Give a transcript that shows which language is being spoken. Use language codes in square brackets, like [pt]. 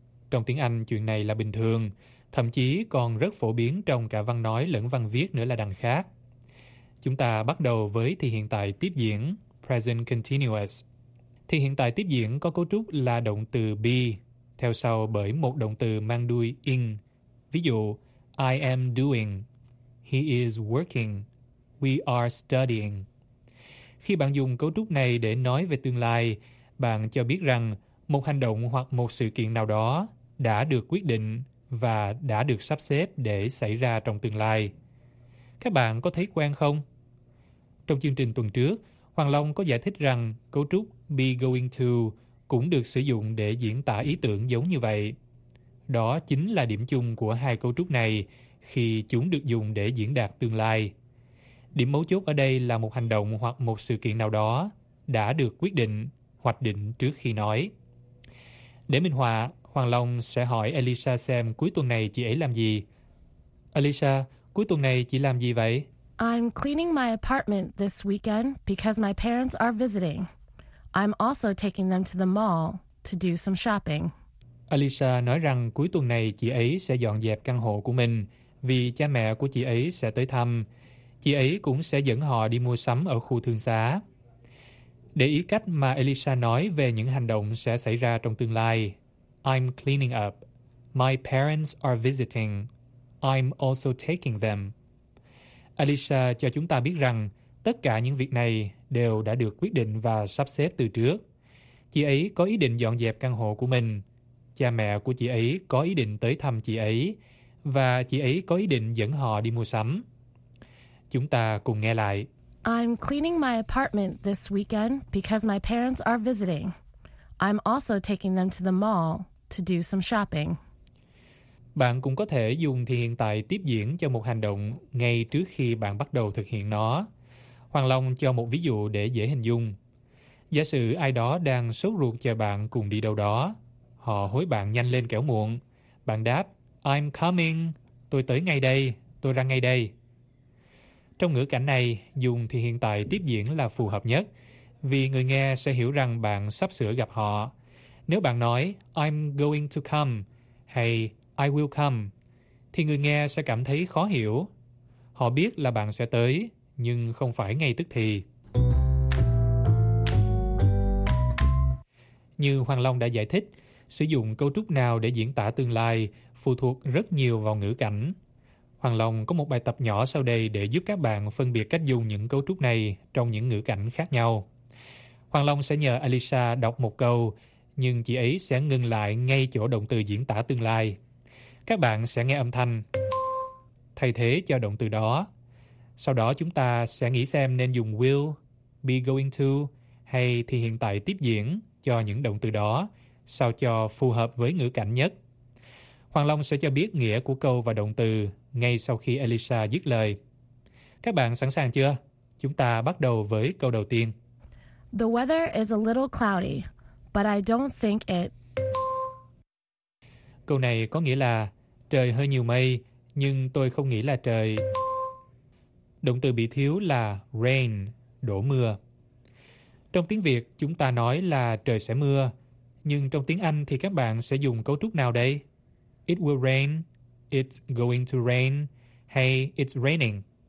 [vi] Trong tiếng Anh chuyện này là bình thường, thậm chí còn rất phổ biến trong cả văn nói lẫn văn viết nữa là đằng khác. Chúng ta bắt đầu với thì hiện tại tiếp diễn present continuous. Thì hiện tại tiếp diễn có cấu trúc là động từ be theo sau bởi một động từ mang đuôi in. Ví dụ, [en] I am doing, he is working, we are studying. [vi] Khi bạn dùng cấu trúc này để nói về tương lai, bạn cho biết rằng một hành động hoặc một sự kiện nào đó đã được quyết định và đã được sắp xếp để xảy ra trong tương lai. Các bạn có thấy quen không? Trong chương trình tuần trước, Hoàng Long có giải thích rằng cấu trúc be going to cũng được sử dụng để diễn tả ý tưởng giống như vậy. Đó chính là điểm chung của hai cấu trúc này khi chúng được dùng để diễn đạt tương lai. Điểm mấu chốt ở đây là một hành động hoặc một sự kiện nào đó đã được quyết định, hoạch định trước khi nói. Để minh họa, Hoàng Long sẽ hỏi Elisa xem cuối tuần này chị ấy làm gì. Elisa, cuối tuần này chị làm gì vậy? [en] I'm cleaning my apartment this weekend because my parents are visiting. I'm also taking them to the mall to do some shopping. [vi] Elisa nói rằng cuối tuần này chị ấy sẽ dọn dẹp căn hộ của mình vì cha mẹ của chị ấy sẽ tới thăm. Chị ấy cũng sẽ dẫn họ đi mua sắm ở khu thương xá. Để ý cách mà Elisa nói về những hành động sẽ xảy ra trong tương lai. [en] I'm cleaning up. My parents are visiting. I'm also taking them. [vi] Elisa cho chúng ta biết rằng tất cả những việc này đều đã được quyết định và sắp xếp từ trước. Chị ấy có ý định dọn dẹp căn hộ của mình. Cha mẹ của chị ấy có ý định tới thăm chị ấy, và chị ấy có ý định dẫn họ đi mua sắm. Chúng ta cùng nghe lại. [en] I'm cleaning my apartment this weekend because my parents are visiting. I'm also taking them to the mall to do some shopping. [vi] Bạn cũng có thể dùng thì hiện tại tiếp diễn cho một hành động ngay trước khi bạn bắt đầu thực hiện nó. Hoàng Long cho một ví dụ để dễ hình dung. Giả sử ai đó đang sốt ruột chờ bạn cùng đi đâu đó. Họ hối bạn nhanh lên kẻo muộn. Bạn đáp, [en] I'm coming. [vi] Tôi tới ngay đây. Tôi ra ngay đây. Trong ngữ cảnh này, dùng thì hiện tại tiếp diễn là phù hợp nhất. Vì người nghe sẽ hiểu rằng bạn sắp sửa gặp họ. Nếu bạn nói, [en] I'm going to come. [vi] Hay, [en] I will come. [vi] Thì người nghe sẽ cảm thấy khó hiểu. Họ biết là bạn sẽ tới, nhưng không phải ngay tức thì. Như Hoàng Long đã giải thích, sử dụng cấu trúc nào để diễn tả tương lai phụ thuộc rất nhiều vào ngữ cảnh. Hoàng Long có một bài tập nhỏ sau đây để giúp các bạn phân biệt cách dùng những cấu trúc này trong những ngữ cảnh khác nhau. Hoàng Long sẽ nhờ Elisa đọc một câu, nhưng chị ấy sẽ ngừng lại ngay chỗ động từ diễn tả tương lai. Các bạn sẽ nghe âm thanh thay thế cho động từ đó. Sau đó chúng ta sẽ nghĩ xem nên dùng will, be going to hay thì hiện tại tiếp diễn cho những động từ đó, sao cho phù hợp với ngữ cảnh nhất. Hoàng Long sẽ cho biết nghĩa của câu và động từ ngay sau khi Elisa dứt lời. Các bạn sẵn sàng chưa? Chúng ta bắt đầu với câu đầu tiên. [en] The weather is a little cloudy, but I don't think it. [vi] Câu này có nghĩa là trời hơi nhiều mây, nhưng tôi không nghĩ là trời. Động từ bị thiếu là rain, đổ mưa. Trong tiếng Việt, chúng ta nói là trời sẽ mưa. Nhưng trong tiếng Anh thì các bạn sẽ dùng cấu trúc nào đây? [en] It will rain, it's going to rain, [vi] hay [en] it's raining?